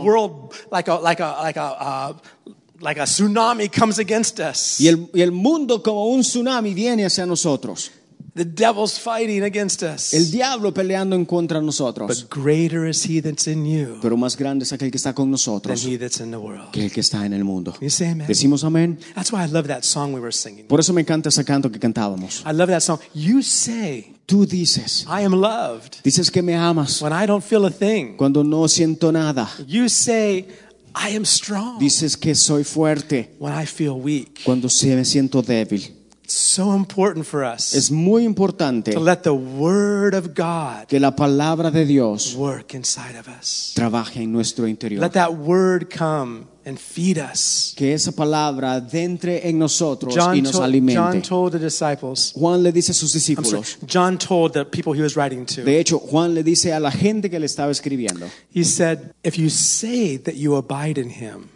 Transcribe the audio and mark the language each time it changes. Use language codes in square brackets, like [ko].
[en] The world like a tsunami comes against us. [es] Y el mundo como un tsunami viene hacia nosotros. [en] The devil's fighting against us. [es] El diablo peleando en contra nosotros. [en] But greater is he that's in you. [es] Pero más grande es aquel que está con nosotros. [en] Than he that's in the world. [es] Que el que está en el mundo. [en] Can you say amen? [es] Decimos amén. [en] That's why I love that song we were singing. [es] Por eso me encanta ese canto que cantábamos. [en] I love that song. You say. [es] Tú dices, [en] I am loved. [es] Dices que me amas. [en] When I don't feel a thing. [es] Cuando no siento nada. [en] You say. I am strong. [es] Dices que soy fuerte. [en] When I feel weak. [es] Cuando me siento débil. [en] So important for us. [es] Es muy importante. [en] To let the word of God. [es] Que la palabra de Dios. [en] Work inside of us. [es] Trabaje en nuestro interior. [en] Let that word come and feed us. [es] Que esa palabra entre en nosotros y nos alimente. [en] John told the disciples. [es] Juan le dice a sus discípulos. [en] John told the people he was writing to. [es] De hecho, Juan le dice a la gente que le estaba escribiendo. [en] He said, if you say that you abide in him.